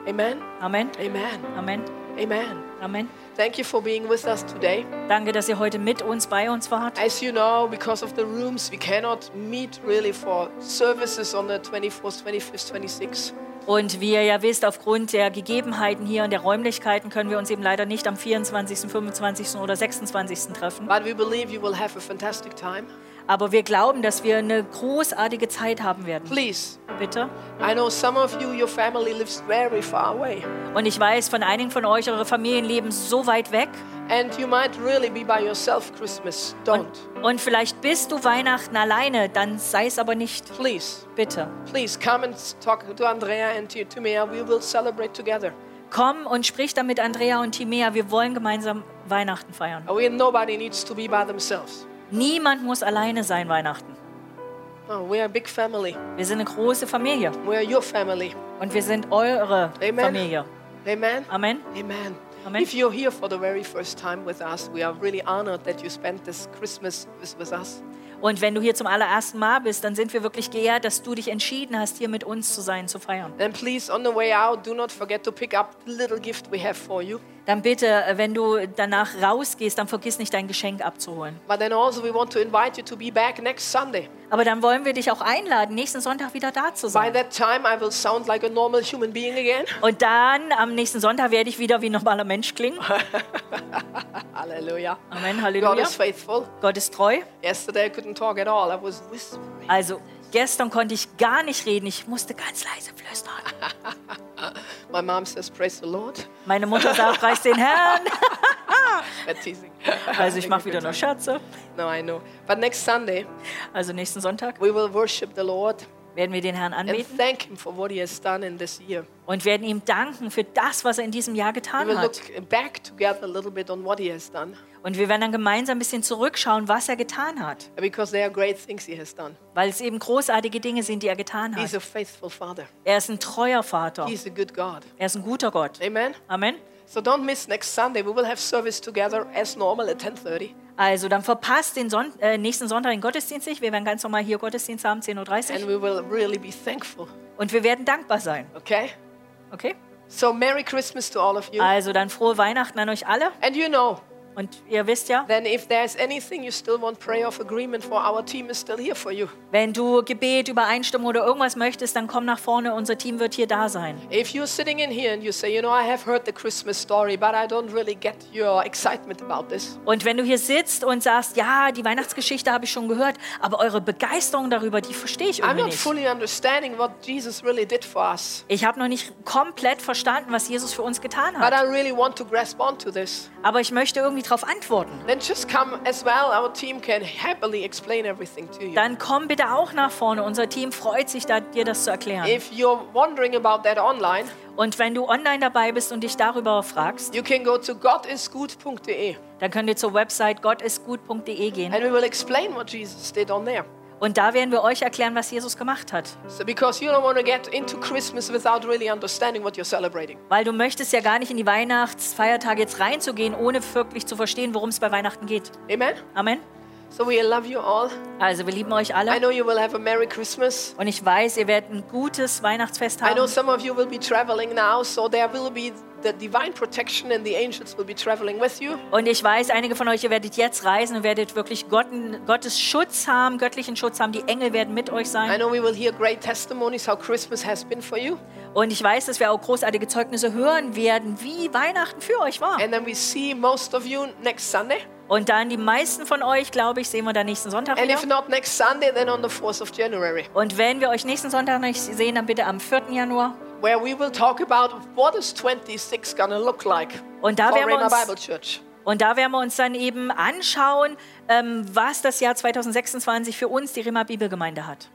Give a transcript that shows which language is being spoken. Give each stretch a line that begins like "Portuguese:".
English: Amen. Amen. Amen. Amen. Amen. Amen. Thank you for being with us today.
German: Danke, dass ihr heute mit uns bei uns wart.
English: As you know, because of the rooms, we cannot meet really for services on the 24th, 25th, 26th.
German: Und wie ihr ja wisst, aufgrund der Gegebenheiten hier und der Räumlichkeiten können wir uns eben leider nicht am 24., 25. oder 26. treffen.
English: But we believe you will have a fantastic time.
German: Aber wir glauben, dass wir eine großartige Zeit haben werden.
English: Please.
German: Bitte.
English: I know some of you, your family lives very far away.
German: Und ich weiß, von einigen von euch, eure Familien leben so weit weg.
English: And you might really be by yourself Christmas. Don't.
German: Und vielleicht bist du Weihnachten alleine, dann sei es aber nicht.
English: Please.
German: Bitte.
English: Please come and talk to Andrea and to Mia. We will celebrate together.
German: Komm und sprich dann mit Andrea und Timea. Wir wollen gemeinsam Weihnachten feiern.
English: Oh, nobody needs to be by themselves.
German: Niemand muss alleine sein Weihnachten.
English: Oh, we are a big family.
German: Wir sind eine große Familie.
English: We are your family.
German: Und wir sind eure Amen. Familie. Amen. Amen. Amen. Amen.
English: If you're here for the very first time with us, we are really honored that you spent this Christmas with us.
German: Und wenn du hier zum allerersten Mal bist, dann sind wir wirklich geehrt, dass du dich entschieden hast, hier mit uns zu sein, zu feiern.
English: Then please, on the way out, do not forget to pick up the little gift we have for you.
German: Dann bitte, wenn du danach rausgehst, dann vergiss nicht, dein Geschenk abzuholen.
English: But then also we want to invite you to be back next Sunday.
German: Aber dann wollen wir dich auch einladen, nächsten Sonntag wieder da zu sein.
English: By that time I will sound like a normal human being again.
German: Und dann am nächsten Sonntag werde ich wieder wie ein normaler Mensch klingen. Halleluja. Amen, Halleluja.
English: God is faithful.
German: Gott ist treu.
English: Yesterday I couldn't talk at all. I was whispering.
German: Also gestern konnte ich gar nicht reden. Ich musste ganz leise flüstern.
English: My mom says, praise the Lord.
German: Meine Mutter sagt, preis den Herrn.
English: That's teasing.
German: Also ich mache wieder nur Scherze.
English: No, I know. But next Sunday,
German: also nächsten Sonntag,
English: we will worship the Lord.
German: Werden wir den Herrn anbeten.
English: And thank him for what he has done in this year.
German: Und werden ihm danken für das, was er in diesem Jahr getan hat.
English: We will
German: hat.
English: Look back together a little bit on what he has done.
German: Und wir werden dann gemeinsam ein bisschen zurückschauen, was er getan hat.
English: Because there are great things he has done.
German: Weil es eben großartige Dinge sind, die er getan hat.
English: He's a faithful father.
German: Er ist ein treuer Vater.
English: He's a good God.
German: Er ist ein guter Gott. Amen. Amen.
English: So don't miss next Sunday. We will have service together as normal at 10:30.
German: Also dann verpasst den nächsten Sonntag den Gottesdienst nicht. Wir werden ganz normal hier Gottesdienst haben, 10:30 Uhr.
English: And we will really be thankful.
German: Und wir werden dankbar sein.
English: Okay?
German: Okay?
English: So Merry Christmas to all of you.
German: Also dann frohe Weihnachten an euch alle.
English: And you know,
German: und ihr wisst ja,
English: then if there's anything you still want prayer of agreement for, our team is still here for you.
German: Wenn du Gebet, Übereinstimmung oder irgendwas möchtest, dann komm nach vorne, unser Team wird hier da sein.
English: If you're sitting in here and you say, you know, I have heard the Christmas story, but I don't really get your excitement about this.
German: Und wenn du hier sitzt und sagst, ja, die Weihnachtsgeschichte habe ich schon gehört, aber eure Begeisterung darüber, die verstehe ich irgendwie nicht.
English: I'm not fully understanding what Jesus really did for us.
German: Ich habe noch nicht komplett verstanden, was Jesus für uns getan hat.
English: But I really want to grasp onto this.
German: Aber ich möchte irgendwie darauf antworten.
English: Then just come as well. Our team can happily explain everything to you.
German: Dann komm bitte auch nach vorne. Unser Team freut sich, da, dir das zu erklären.
English: If you're wondering about that online,
German: und wenn du online dabei bist und dich darüber fragst,
English: you can go to gottisgut.de.
German: Dann könnt ihr zur Website gottisgut.de gehen.
English: And we will explain what Jesus did on there.
German: Und da werden wir euch erklären, was Jesus gemacht hat.
English: So because you don't want to get into Christmas without really understanding what you're celebrating.
German: Weil du möchtest ja gar nicht in die Weihnachtsfeiertage jetzt reinzugehen, ohne wirklich zu verstehen, worum es bei Weihnachten geht. Amen. Amen.
English: So we love you all.
German: Also wir lieben euch alle.
English: I know you will have a Merry Christmas.
German: Und ich weiß, ihr werdet ein gutes Weihnachtsfest haben.
English: I know some of you will be traveling now, so there will be the divine protection and the angels will be traveling with you.
German: Und ich weiß, einige von euch, ihr werdet jetzt reisen und werdet wirklich Gottes Schutz haben, göttlichen Schutz haben. Die Engel werden mit euch sein.
English: I know we will hear great testimonies how Christmas has been for you.
German: Und ich weiß, dass wir auch großartige Zeugnisse hören werden, wie Weihnachten für euch war.
English: And then we see most of you next Sunday.
German: Und dann die meisten von euch, glaube ich, sehen wir dann nächsten Sonntag wieder.
English: And if not next Sunday, then on the 4th of January.
German: Und wenn wir euch nächsten Sonntag nicht sehen, dann bitte am 4. Januar.
English: Where we will talk about what is 26 gonna look like.
German: Und da werden wir uns,
English: Bible Church.
German: Und da werden wir uns dann eben anschauen, was das Jahr 2026 für uns, die Rema Bibelgemeinde, hat.